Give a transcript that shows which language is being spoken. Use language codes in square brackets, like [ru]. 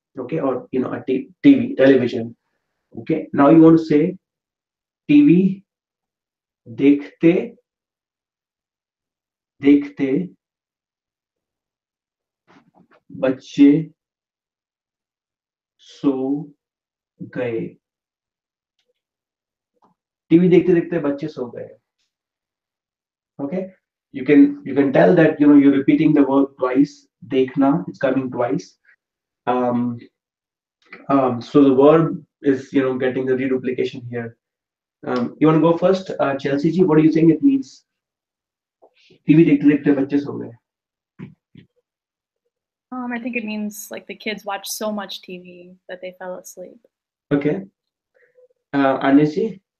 [en] Okay, or a TV television. Okay, now you want to say [hi] TV dekhte dekhte बच्चे सो गए, [en] TV देखते देखते बच्चे सो गए. Okay, you can tell that you repeating the word twice. देखना it's coming twice. So the word is getting the reduplication here. You want to go first Chelsea ji, what do you think it means? [hi] TV देखते देखते बच्चे सो गए. [en] I think it means like the kids watch so much TV that they fell asleep. Okay, Anishi,